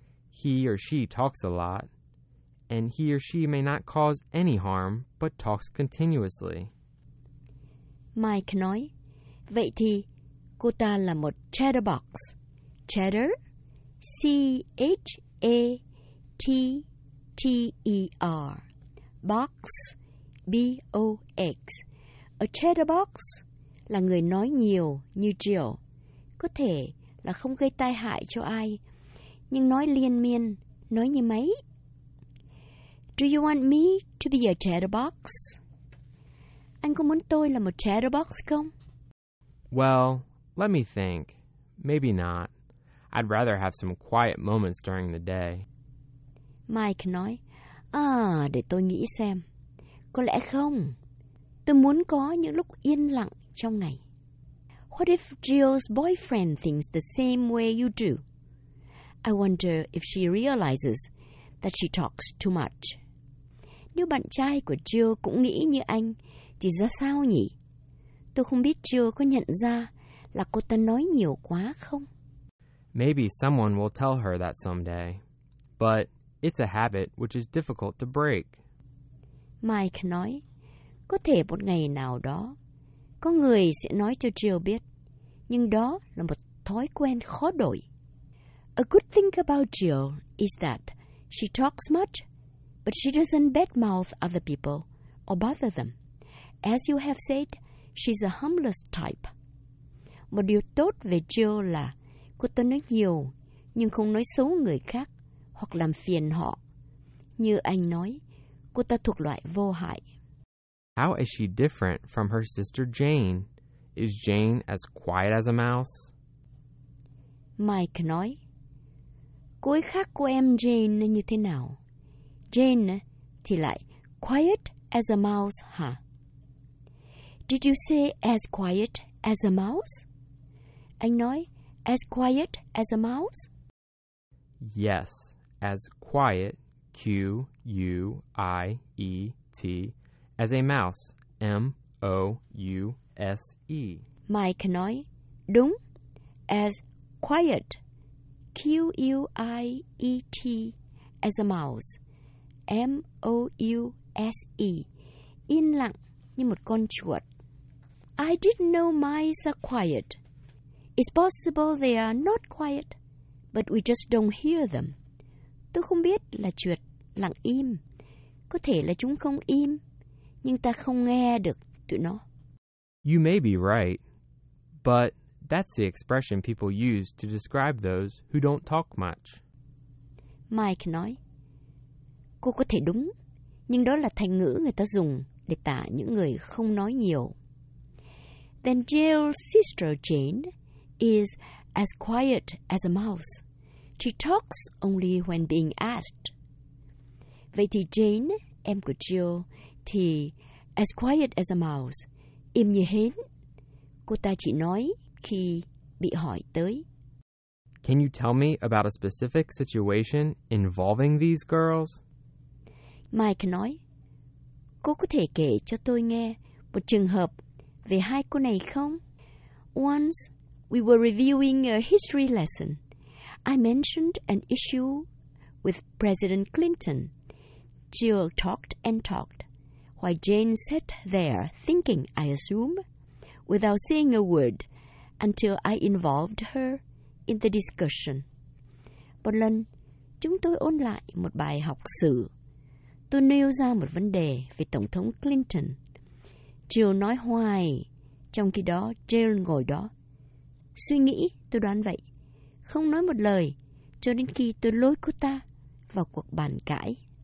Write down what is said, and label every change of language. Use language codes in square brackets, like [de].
[en] He or she talks a lot, and he or she may not cause any harm, but talks continuously. [vi] Mike nói, vậy thì cô ta là một chatterbox. [en] Chatter, C-H-A-T-T-E-R. Box, B-O-X. [vi] A chatterbox là người nói nhiều như Jill. Có thể là không gây tai hại cho ai, nhưng nói liên miên, nói như máy. [en] Do you want me to be a chatterbox? [vi] Anh có muốn tôi là một chatterbox không? [en] Well, let me think. Maybe not. I'd rather have some quiet moments during the day. [vi] Mike nói, để tôi nghĩ xem. Có lẽ không. Tôi muốn có những lúc yên lặng trong ngày. [en] What if Jill's boyfriend thinks the same way you do? I wonder if she realizes that she talks too much. [vi] Nếu bạn trai của Jill cũng nghĩ như anh, thì ra sao nhỉ? Tôi không biết Jill có nhận ra là cô ta nói nhiều quá không? [en] Maybe someone will tell her that someday. But it's a habit which is difficult to break. [vi] Mike nói, có thể một ngày nào đó, có người sẽ nói cho Jill biết, nhưng đó là một thói quen khó đổi. [en] A good thing about Jill is that she talks much, but she doesn't badmouth other people or bother them. As you have said, she's a harmless type. [vi] Một điều tốt về Jill là cô ta nói nhiều, nhưng không nói xấu người khác hoặc làm phiền họ. Như anh nói, cô ta thuộc loại vô hại. [en] How is she different from her sister Jane? Is Jane as quiet as a mouse? [vi] Mike nói, cô ấy khác cô em Jane như thế nào? Jane thì lại [en] quiet as a mouse, [vi] hả? [en] Did you say as quiet as a mouse? [vi] Anh nói, [en] as quiet as a mouse? Yes, as quiet, Q-U-I-E-T, as a mouse, M-O-U-S-E. [vi] Mike nói, đúng, [en] as quiet, Q-U-I-E-T, as a mouse, M-O-U-S-E, [vi] yên lặng như một con chuột. [en] I didn't know mice are quiet. It's possible they are not quiet, but we just don't hear them. [vi] Tôi không biết là chuột lặng im. Có thể là chúng không im, nhưng ta không nghe được tụi nó. [en] You may be right, but that's the expression people use to describe those who don't talk much. [vi] Mike nói, cô có thể đúng, nhưng đó là thành ngữ người ta dùng để tả những người không nói nhiều. [en] Then Jill's sister Jane is as quiet as a mouse. She talks only when being asked. [vi] Vậy thì Jane, em của Jill, thì [en] as quiet as a mouse, [vi] im như hến. Cô ta chỉ nói khi bị hỏi tới. [en] Can you tell me about a specific situation involving these girls? [vi] Mike nói, cô có thể kể cho tôi nghe một trường hợp về hai cô này không? [en] Once, we were reviewing a history lesson. I mentioned an issue with President Clinton. Jill talked and talked, while Jane sat there thinking, I assume, without saying a word, until I involved her in the discussion. [vi] Một lần, chúng tôi ôn lại một bài học sử. Tôi nêu ra một vấn đề về Tổng thống Clinton. Jill nói hoài, trong khi đó Jane ngồi đó. Suy nghĩ, tôi đoán vậy. Không nói một lời, cho đến khi tôi lôi cô ta vào cuộc bàn cãi.